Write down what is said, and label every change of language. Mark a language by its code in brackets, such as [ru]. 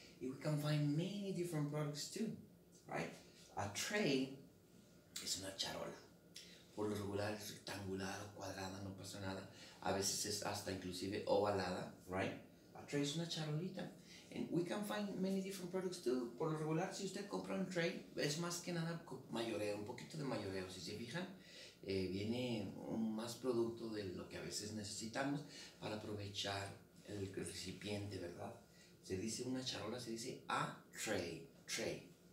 [en] And we can find many different products too, right? A tray [es] es una charola. Por lo regular es rectangular o cuadrada, no pasa nada. A veces es hasta inclusive ovalada, right? [en] A tray [es] es una charolita. [en] And we can find many different products too. [es] Por lo regular, si usted compra un tray, es más que nada mayoreo, un poquito de mayoreo, si se fijan. Viene más producto de lo que a veces necesitamos para aprovechar el recipiente, ¿verdad? Se dice una charola, se dice [en] a tray, tray.